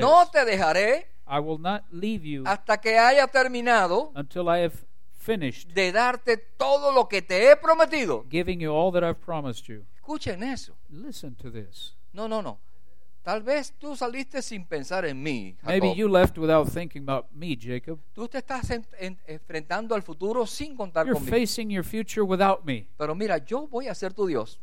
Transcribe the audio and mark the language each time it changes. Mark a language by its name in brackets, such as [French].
[Spanish] No te dejaré. [English] I will not leave you. [Spanish] Hasta que haya terminado. [English] Until I have finished. [Spanish] De darte todo lo que te he prometido. [English] Giving you all that I've promised you. [Spanish] Escuchen eso. [English] Listen to this. [Spanish] No, no, no. Tal vez tú saliste sin pensar en mí, Jacob. [English] Maybe you left without thinking about me, Jacob. [Spanish] Tú te estás enfrentando al futuro sin contar conmigo. [English] You're facing your future without me. [Spanish] Pero mira, yo voy a ser tu Dios.